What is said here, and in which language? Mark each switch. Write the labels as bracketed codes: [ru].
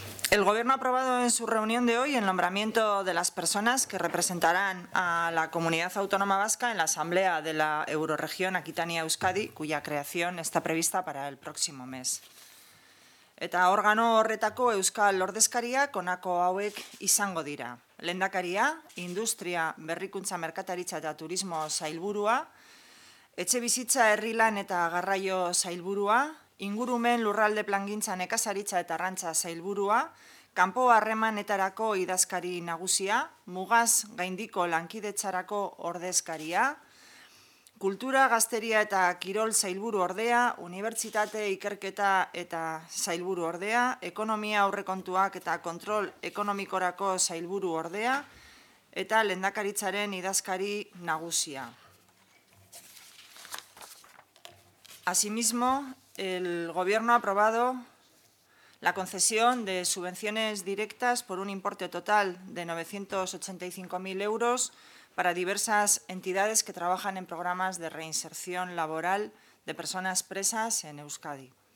[es] El Gobierno ha aprobado en su reunión de hoy el nombramiento de las personas que representarán a la Comunidad Autónoma Vasca en la Asamblea de la Euroregión Aquitania-Euskadi, cuya creación está prevista para el próximo mes. [eu] Eta órgano horretako Euskal Ordezkaria konako hauek izango dira. Lehendakaria, Industria, Berrikuntza, Merkataritza eta Turismo Sailburua, Etxebizitza, Herrilan eta Garraio Sailburua, Ingurumen, Lurralde Plangintza, Nekazaritza eta Arrantza Sailburua, Kanpo Harremanetarako Idazkari Nagusia, Mugaz Gaindiko Lankidetzarako Ordezkaria, Kultura, Gazteria eta Kirol Sailburu Ordea, Unibertsitate Ikerketa eta Sailburu Ordea, Ekonomia Aurrekontuak eta Kontrol Ekonomikorako Sailburu Ordea, eta Lehendakaritzaren Idazkari Nagusia. [es] Asimismo, el Gobierno ha aprobado la concesión de subvenciones directas por un importe total de 985.000 euros para diversas entidades que trabajan en programas de reinserción laboral de personas presas en Euskadi.